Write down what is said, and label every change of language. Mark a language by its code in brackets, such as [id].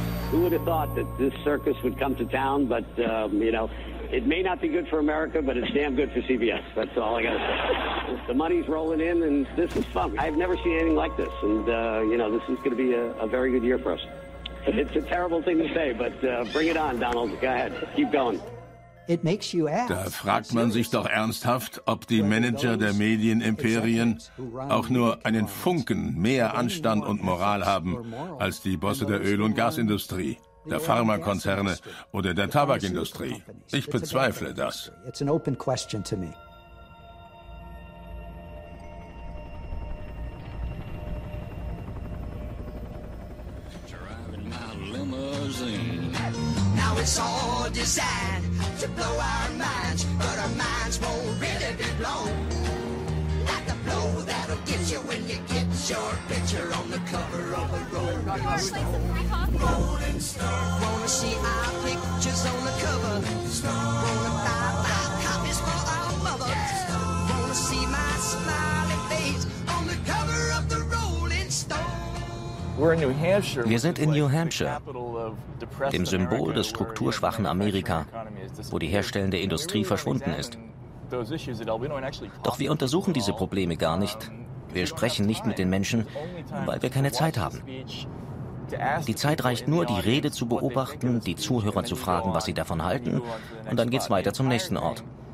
[en] Who would have thought that this circus would come to town? But, it may not be good for America, but it's damn good for CBS. That's all I got to say. The money's rolling in, and this is fun. I've never seen anything like this, and, this is going to be a very good year for us. It's a terrible thing to say, but bring it on, Donald. Go ahead. Keep going. It makes you ask. [de] Da fragt man sich doch ernsthaft, ob die Manager der Medienimperien auch nur einen Funken mehr Anstand und Moral haben als die Bosse der Öl- und Gasindustrie, der Pharmakonzerne oder der Tabakindustrie. Ich bezweifle das. [en] It's an open question to me. Now it's all designed to blow our minds, but our minds won't really be blown. Like the blow that'll get you when you get your picture on the cover of a Rolling Stone. Rolling Stone. Wanna see our pictures on the cover? Stone. Wanna buy 5 copies for our mother? Stone. Wanna see my smiling face on the cover of the Rolling Stone? [de] Wir sind in New Hampshire, dem Symbol des strukturschwachen Amerika, wo die herstellende Industrie verschwunden ist. Doch wir untersuchen diese Probleme gar nicht. Wir sprechen nicht mit den Menschen, weil wir keine Zeit haben. Die Zeit reicht nur, die Rede zu beobachten, die Zuhörer zu fragen, was sie davon halten, und dann geht's weiter zum nächsten Ort.